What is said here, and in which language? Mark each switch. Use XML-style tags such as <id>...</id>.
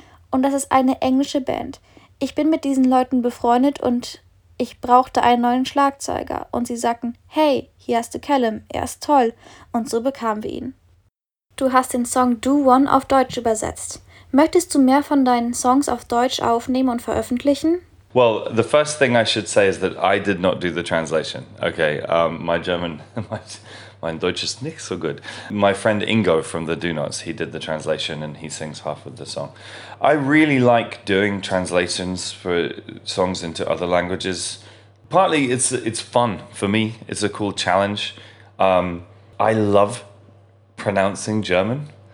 <de>Und das ist eine englische Band. Ich bin mit diesen Leuten befreundet und ich brauchte einen neuen Schlagzeuger. Und sie sagten, hey, hier hast du Callum, er ist toll. Und so bekamen wir ihn. Du hast den Song Do One auf Deutsch übersetzt. Möchtest du mehr von deinen Songs auf Deutsch aufnehmen und veröffentlichen?</de> <en>Well, the first thing I should say is that I did not do the translation. Okay, my German,</en> <de>mein Deutsch ist nicht so gut.</de> <en>My friend Ingo from the Do Nots, he did the translation and he sings half of the song. I really like doing translations for songs into other languages. Partly it's fun for me. It's a cool challenge. I love pronouncing German.</en>